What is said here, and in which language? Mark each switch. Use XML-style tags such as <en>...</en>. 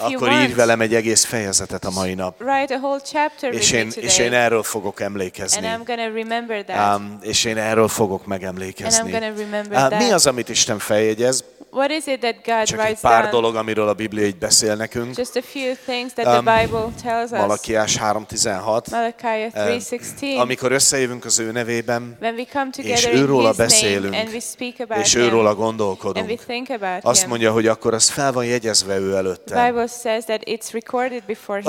<hu>akkor írj velem egy egész fejezetet a mai nap.</hu> <en>Write a whole chapter with me today.</en> <hu>És én erről fogok emlékezni.</hu> <en>And I'm gonna remember that.</en> <hu>És én erről fogok megemlékezni.</hu> <en>And I'm gonna remember that.</en> <hu>Mi az, amit Isten feljegyez?</hu> <en>What is it that God</en> <hu>csak</hu> <en>writes</en> <hu>egy pár</hu> <en>down?</en> <hu>Dolog, amiről a Biblia így beszél nekünk.</hu> <en>Just a few things that the Bible tells us.</en> <hu>Malakiás 3:16.</hu> <en>Malachi 3:16.</en> <hu>Amikor összejövünk az ő nevében,</hu> <en>when we come together,</en> <hu>és őről beszélünk,</hu> <en>and we speak about</en> <hu>és őről gondolkodunk,</hu> <en>and we think about</en> <hu>azt mondja, hogy akkor az fel van jegyezve ő előtte.</hu> <en>The Bible says that it's recorded before him.</en>